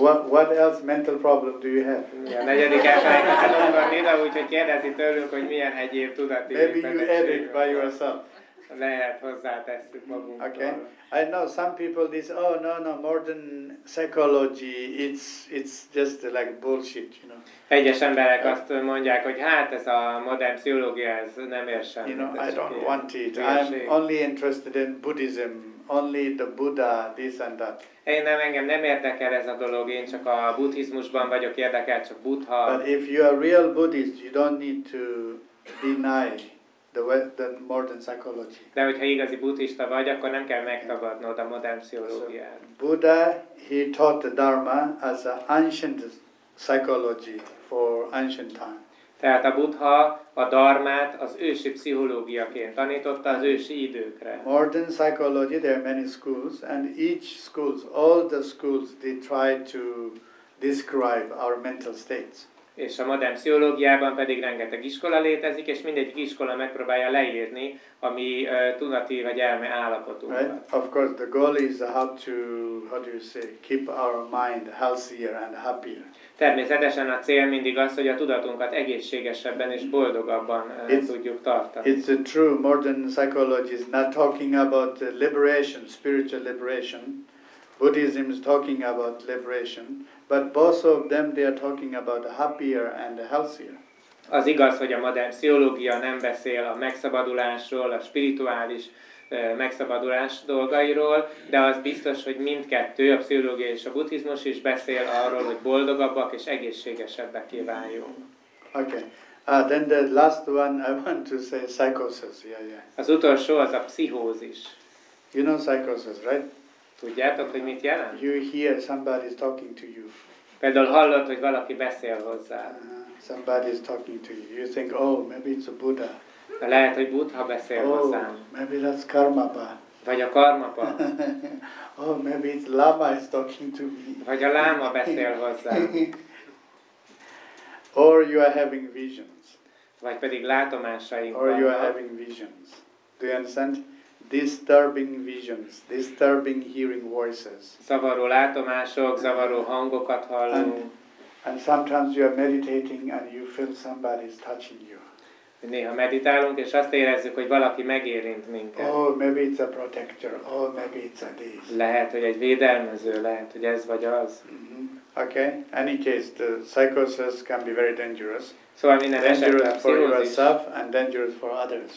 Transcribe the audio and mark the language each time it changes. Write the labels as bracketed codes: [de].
[en] What else mental problem do you have? [hu] Ja, negyedik elfelejtettem mondani, de úgyhogy kérdezi tőlünk, hogy milyen egyéb tudati betegség. [en] Maybe you had it by yourself. [hu] Lehet hozzátesszük magunkról. [en] Okay. I know some people this modern psychology it's just like bullshit, you know. [hu] Egyes emberek azt mondják, hogy hát ez a modern pszichológia ez nem ér semmit. [en] You know, I don't want it. I'm only interested in Buddhism, only the Buddha, this and that. [hu] Engem nem érdekel ez a dolog, én csak a buddhizmusban vagyok érdekelt, csak Buddha. [en] But if you are real Buddhist, you don't need to deny the modern psychology. [hu] De hogyha igazi buddhista vagy, akkor nem kell megtagadnod a modern pszichológiát. [en] So Buddha, he taught the Dharma as an ancient psychology for ancient time. [hu] Tehát a Buddha a Dharmát az ősi pszichológiaként tanította az ősi időkre. [en] Modern psychology, there are many schools, and each schools, all the schools, they try to describe our mental states. [hu] És a modern pszichológiában pedig rengeteg iskola létezik, és mindegyik iskola megpróbálja leírni a mi tudati vagy elme állapotunkat. [en] Right? Of course the goal is how to, how do you say, keep our mind healthier and happier. [hu] Természetesen a cél mindig az, hogy a tudatunkat egészségesebben és boldogabban tudjuk tartani. [en] It's true, modern psychology is not talking about liberation, spiritual liberation. Buddhism is talking about liberation. But both of them, they are talking about the happier and the healthier. [hu] Az igaz, hogy a modern pszichológia nem beszél a megszabadulásról, a spirituális megszabadulás dolgairól, de az biztos, hogy mindkettő, a pszichológia és a buddhizmus is beszél arról, hogy boldogabbak és egészségesebbek váljunk. [en] Okay. Then the last one I want to say psychosis. Yeah, yeah. [hu] Az utolsó az a pszichózis. [en] You know psychosis, right? [hu] Tudjátok, hogy mit jelent? [en] You hear somebody talking to you. [hu] Például hallod, hogy valaki beszél hozzá. [en] Somebody is talking to you. You think, oh, maybe it's a Buddha. [hu] Lehet, hogy Buddha beszél hozzám. [en] Oh, maybe that's Karmapa. [hu] Vagy a Karmapa. [en] Oh, maybe it's Lama is talking to me. [hu] Vagy a Láma beszél hozzám. [en] Or you are having visions. [hu] Vagy pedig látomásaim. [en] Or you are having visions. Do you understand? Disturbing visions, disturbing hearing voices. [hu] Zavaró látomások, zavaró hangokat hallunk. [en] And sometimes you are meditating and you feel somebody is touching you. [hu] Néha meditálunk és azt érezzük, hogy valaki megérint minket. [en] Oh, maybe it's a protector. Oh, maybe it's a this. [hu] Lehet, hogy egy védelmező, lehet, hogy ez vagy az. [en] Mm-hmm. Okay. Any case, the psychosis can be very dangerous. [hu] Szóval minden [en] dangerous [hu] esetben [en] for yourself and dangerous for others.